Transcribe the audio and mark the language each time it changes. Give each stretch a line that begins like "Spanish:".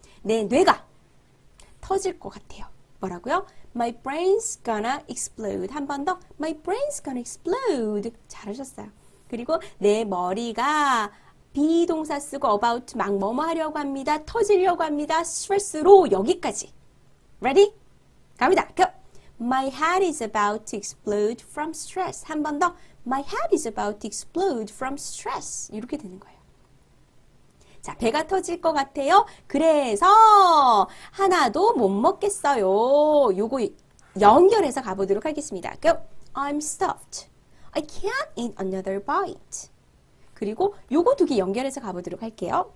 Korean: 내 뇌가 터질 것 같아요. 뭐라고요?
English: My brain's gonna explode.
Korean: 한번 더.
English: My brain's gonna explode.
Korean: 잘하셨어요. 그리고 내 머리가 비동사 쓰고 about 막 뭐뭐 하려고 합니다. 터지려고 합니다. stress로 여기까지.
English: Ready?
Korean: 갑니다. Go.
English: My head is about to explode from stress.
Korean: 한번 더.
English: My head is about to explode from stress.
Korean: 이렇게 되는 거예요. 자, 배가 터질 것 같아요. 그래서 하나도 못 먹겠어요. 요거 연결해서 가보도록 하겠습니다.
English: Go. I'm stuffed. I can't eat another bite.
Korean: 그리고 요거 두개 연결해서 가보도록 할게요.